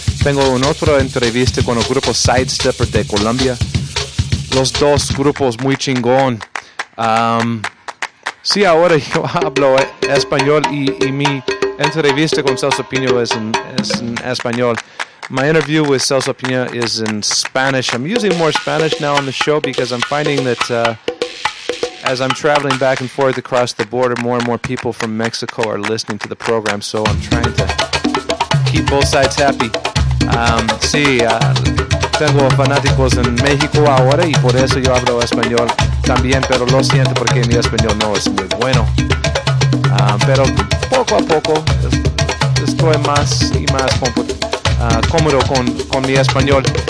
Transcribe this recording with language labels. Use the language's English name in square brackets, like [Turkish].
[Spanish] Tengo una otra entrevista con el grupo Sidestepper de Colombia. Los dos grupos muy chingón. Sí, ahora yo hablo español y mi entrevista con Celso Pina es en español. [English] My interview with Celso Pina is in Spanish. I'm using more Spanish now on the show because I'm finding that... As I'm traveling back and forth across the border, more and more people from Mexico are listening to the program, so I'm trying to keep both sides happy. [Spanish] Sí, tengo fanáticos en México ahora, y por eso yo hablo español también, pero lo siento porque mi español no es muy bueno. Pero poco a poco estoy más y más cómodo con mi español.